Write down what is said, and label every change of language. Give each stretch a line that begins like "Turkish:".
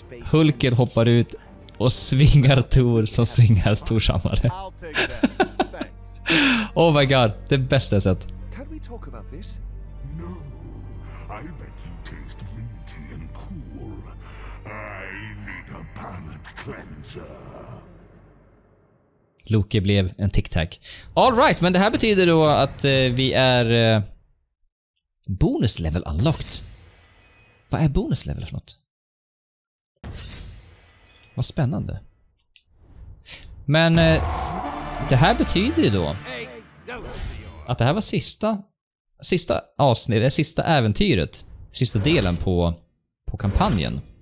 Swedish: Hulken hoppar ut och svingar Thor som svingar Torshammare.
English: Oh my god,
Swedish: det bästa jag sett.
English: Can we talk about this? No, I bet you taste minty and cool. I need a palate cleanser.
Swedish: Loki blev en tic-tac.
English: All right,
Swedish: men det här betyder då att vi är
English: bonus level unlocked.
Swedish: Vad är bonus level för något? Vad spännande. Men det här betyder ju då att det här var sista avsnittet, sista äventyret, sista delen på kampanjen.